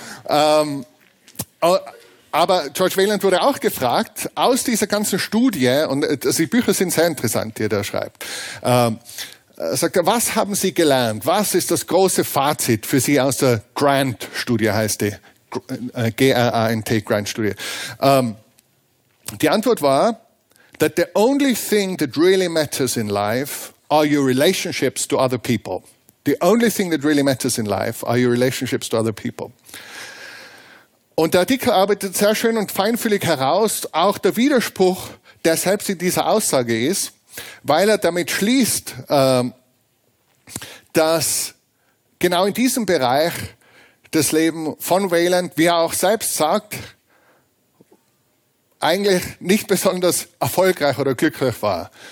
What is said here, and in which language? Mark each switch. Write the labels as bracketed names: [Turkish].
[German] Aber George Weiland wurde auch gefragt, aus dieser ganzen Studie, und die Bücher sind sehr interessant, die er da schreibt, sagt er, was haben Sie gelernt? Was ist das große Fazit für Sie aus der Grant-Studie, heißt die? G-R-A-N-T, Grant-Studie. Die Antwort war, [English] that the only thing that really matters in life are your relationships to other people. The only thing that really matters in life are your relationships to other people. [German] Und der Artikel arbeitet sehr schön und feinfühlig heraus, auch der Widerspruch, der selbst in dieser Aussage ist, weil er damit schließt, dass genau in diesem Bereich das Leben von Weiland, wie er auch selbst sagt, eigentlich nicht besonders erfolgreich oder glücklich war.